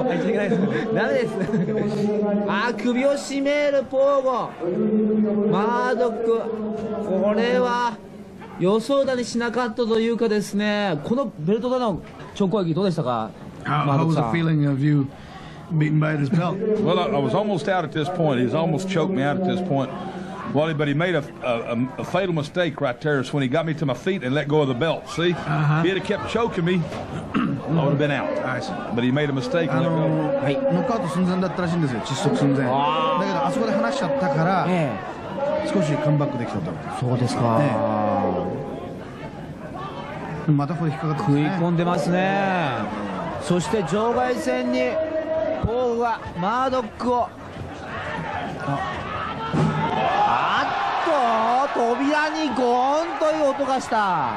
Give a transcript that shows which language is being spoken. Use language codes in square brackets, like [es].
[ja] はい、知らないです、ダメです、あ、首を絞めるポーゴマードック、これは予想だにしなかったというかですね、このベルトだの直攻撃どうでしたか、 [en] マードックさん、beaten by his belt. Well, I was almost out at this point. He's almost choked me out at this point. Well, but he made a fatal mistake right there. It's when he got me to my feet and let go of the belt. See? If he had kept choking me, I would have been out. I see. But he made a mistake. [ja] Knockout 寸前だったらしいんですよ。窒息寸前。だけどあそこで話しちゃったから、少しカムバックできたと。そうですか。またこれ引っかかってますね。食い込んでますね。そして場外戦に。ポーグはマードックを、あっと、扉にゴーンという音がした、